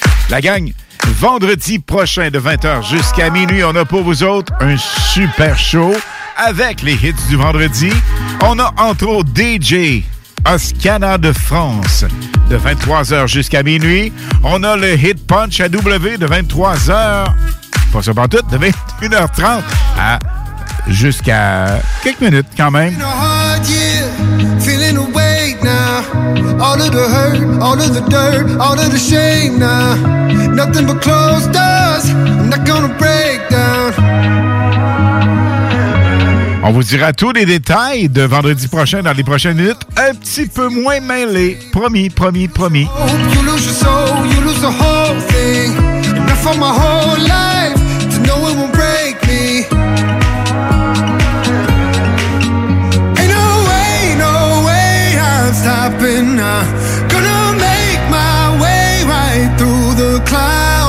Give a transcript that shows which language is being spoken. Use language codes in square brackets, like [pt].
[fr] La gagne, vendredi prochain de 20h jusqu'à minuit, on a pour vous autres un super show avec les hits du vendredi. On a entre autres DJ Oscana de France. De 23h jusqu'à minuit, on a le Hit Punch à W de 23h, pas sur pantoute, de 21h30 à jusqu'à quelques minutes quand même. [en] In a hard year, feeling awake now, all of the hurt, all of the dirt, all of the shame now, nothing but closed doors, I'm not gonna break down. [fr] On vous dira tous les détails de vendredi prochain dans les prochaines minutes. Un petit peu moins mêlé. Promis, promis, promis. [en] You lose your soul, you lose the whole thing. Enough for my whole life to know it won't break me. Ain't no way, no way I'm stopping. I'm gonna make my way right through the clouds.